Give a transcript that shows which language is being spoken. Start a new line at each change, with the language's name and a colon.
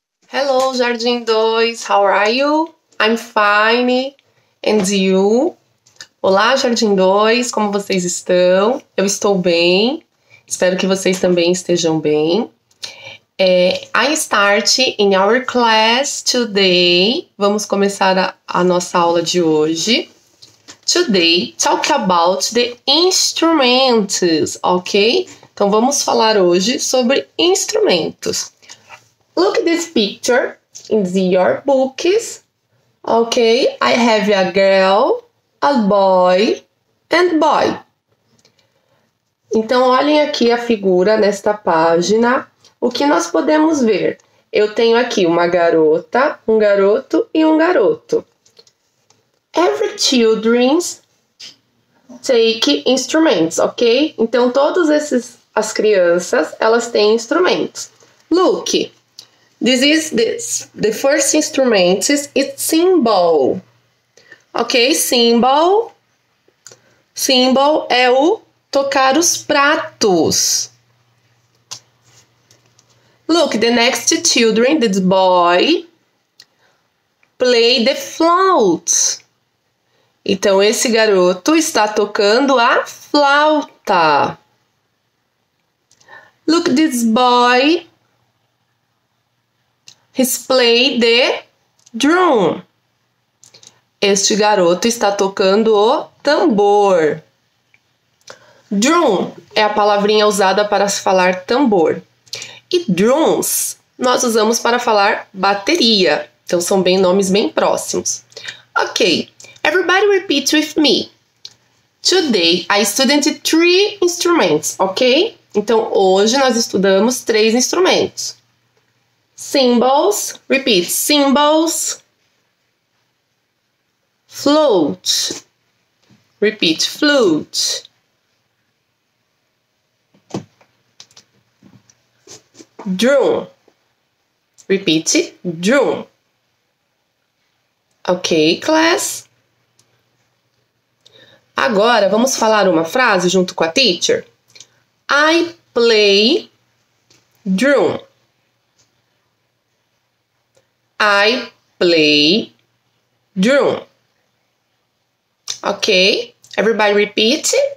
English: Hello, Jardim 2, how are you? I'm fine. And you?
Portuguese: Olá, Jardim 2, como vocês estão? Eu estou bem. Espero que vocês também estejam bem.
English: I start in our class today.
Portuguese: Vamos começar a nossa aula de hoje.
English: Today, talk about the instruments, ok?
Portuguese: Então, vamos falar hoje sobre instrumentos.
English: Look at this picture in your books. Okay, I have a girl, a boy and boy.
Portuguese: Então olhem aqui a figura nesta página. O que nós podemos ver? Eu tenho aqui uma garota, um garoto e um garoto.
English: Every children's take instruments, ok?
Portuguese: Então todas essas as crianças, elas têm instrumentos.
English: Look. This is the first instrument is cymbal. Ok, cymbal.
Portuguese: Cymbal é o tocar os pratos.
English: Look, the next children, the boy, play the flute.
Portuguese: Então, esse garoto está tocando a flauta.
English: Look, this boy. He's play the drum.
Portuguese: Este garoto está tocando o tambor. Drum é a palavrinha usada para falar tambor. E drums nós usamos para falar bateria. Então são bem nomes bem próximos.
English: Ok, everybody repeat with me. Today I studied three instruments, ok?
Portuguese: Então hoje nós estudamos três instrumentos.
English: Cymbals, repeat, cymbals, flute, repeat, flute, drum, repeat, drum. Ok, class.
Portuguese: Agora vamos falar uma frase junto com a teacher.
English: I play drum. I play drum. Ok? Everybody repeat.